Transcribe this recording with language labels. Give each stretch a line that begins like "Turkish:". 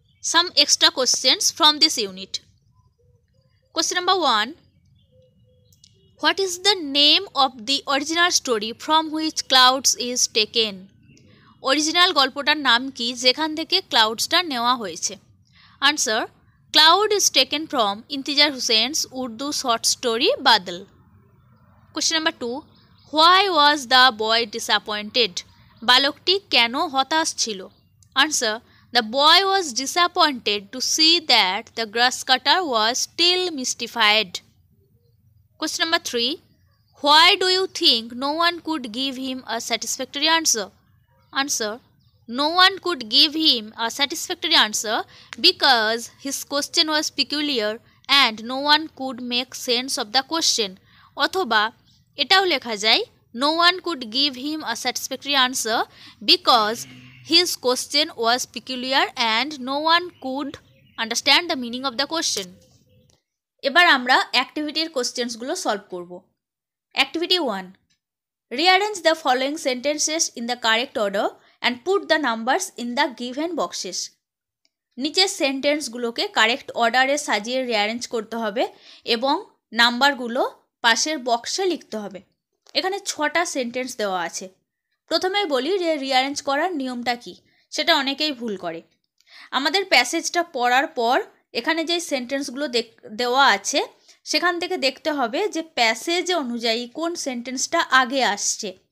English: Some extra questions from this unit. Question number one, what is the name of the original story from which clouds is taken?
Bangla: Original গল্পটার নাম কি যেখান থেকে ক্লাউডসটা নেওয়া হয়েছে?
English: Answer, cloud is taken from Intizar Hussain's Urdu short story Badal. Question number 2, why was the boy disappointed?
Bangla: Balokti keno hotash chilo?
English: Answer, the boy was disappointed to see that the grass cutter was still mystified. Question number 3, why do you think no one could give him a satisfactory answer? Answer, no one could give him a satisfactory answer because his question was peculiar and no one could make sense of the question.
Bangla: Othoba etao lekha jay,
English: no one could give him a satisfactory answer because his question was peculiar and no one could understand the meaning of the question.
Bangla: Ebar amra activity questions gulo solve korbo.
English: Activity 1, rearrange the following sentences in the correct order and put the numbers in the given boxes.
Bangla: নিচে সেন্টেন্সগুলোকে correct অর্ডারে সাজিয়ে rearrange করতে হবে এবং নাম্বারগুলো পাশের বক্সে লিখতে হবে। এখানে ছটা সেন্টেন্স দেওয়া আছে। প্রথমেই বলি যে রিঅ্যারেঞ্জ করার নিয়মটা কী, সেটা অনেকেই ভুল করে। আমাদের প্যাসেজটা পড়ার পর এখানে যে সেন্টেন্সগুলো দেওয়া আছে সেখান থেকে দেখতে হবে যে প্যাসেজ অনুযায়ী কোন সেন্টেন্সটা আগে আসছে।